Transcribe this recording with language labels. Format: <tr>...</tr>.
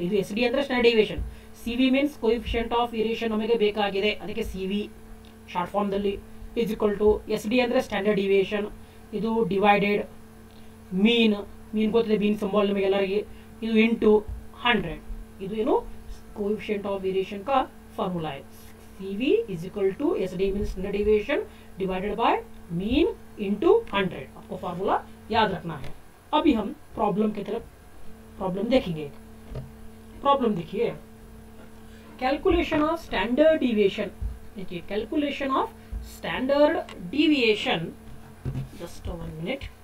<kn>ಇದು S D ಅಂದರೆ standard deviation, C V means coefficient of variation ನಮಗೆ ಬೇಕಾಗಿದೆ. ಅದಕ್ಕೆ C V short ಫಾರ್ಮ್ದಲ್ಲಿ is equal to S D ಅಂದರೆ ಸ್ಟ್ಯಾಂಡರ್ಡ್ ಡಿವಿಯೇಷನ್, ಇದು ಡಿವೈಡೆಡ್ ಮೀನ್, ಮೀನ್ ಗೊತ್ತಿದೆ ಮೀನ್ ಸಂಬಾಲ್ ನಮಗೆ ಎಲ್ಲರಿಗೆ, ಇದು ಇಂಟು 100. ಇದು ಏನು ಕೋಎಫಿಷಿಯಂಟ್ ಆಫ್ ವೇರಿಯೇಷನ್ ಕಾ ಫಾರ್ಮುಲಾ ಇದೆ.</kn> <en>CV is equal to SD means standard deviation divided by mean into 100.</en> <hi>आपको फार्मूला याद रखना है. अभी हम प्रॉब्लम की तरफ प्रॉब्लम देखेंगे. प्रॉब्लम देखिए, कैलकुलेशन ऑफ स्टैंडर्ड डिविएशन. देखिए calculation of standard deviation, just one minute.</hi>